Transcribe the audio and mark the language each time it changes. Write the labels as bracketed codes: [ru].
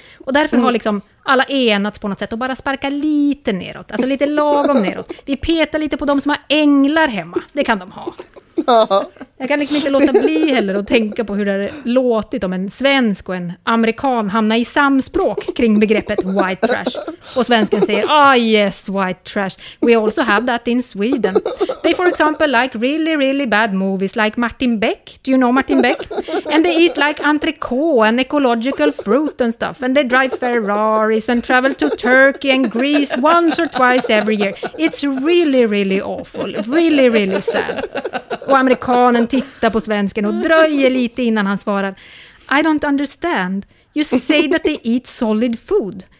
[sv] Och därför har liksom alla enats på något sätt och bara sparka lite neråt. Alltså lite lagom neråt. Vi petar lite på de som har änglar hemma. Det kan de ha. Jag kan liksom inte låta bli heller att tänka på hur det hade låtit om en svensk och en amerikan hamnar i samspråk kring begreppet white trash. Och svensken säger, [en] ah yes, white trash. We also have that in Sweden. They for example like really, really bad movies like Martin Beck. Do you know Martin Beck? And they eat like entrecôte and ecological fruit and stuff. And they drive Ferraris and travel to Turkey and Greece once or twice every year. It's really, really awful. Really, really sad. [sv] Och amerikanen tittar på svensken och dröjer lite innan han svarar. [en] I don't understand. You say that they eat solid food.